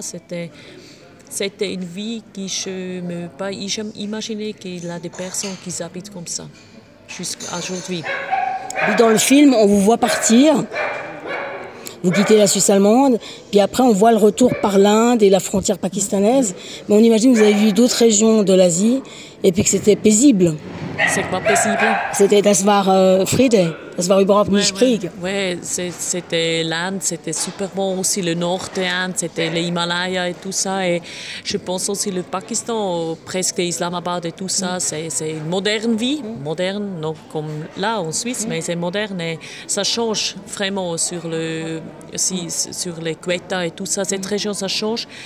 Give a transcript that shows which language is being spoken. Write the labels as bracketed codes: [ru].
[fr] C'était une vie que je me pas imaginé qu'il y a des personnes qui habitent comme ça jusqu'à aujourd'hui. Dans le film, on vous voit partir. Vous quittez la Suisse allemande, puis après on voit le retour par l'Inde et la frontière pakistanaise. Mais on imagine que vous avez vu d'autres régions de l'Asie. et puis que c'était paisible. C'est quoi paisible? C'était [de] Das war Friede, Das war überhaupt nicht Krieg. [fr] Oui, c'était l'Inde, c'était super bon aussi, le nord de l'Inde, c'était les Himalayas et tout ça. Et je pense aussi le Pakistan, presque Islamabad et tout ça, c'est une moderne vie, moderne, non comme là en Suisse, mais c'est moderne. Et ça change vraiment sur, le, aussi, sur les Quetta et tout ça, cette région, ça change.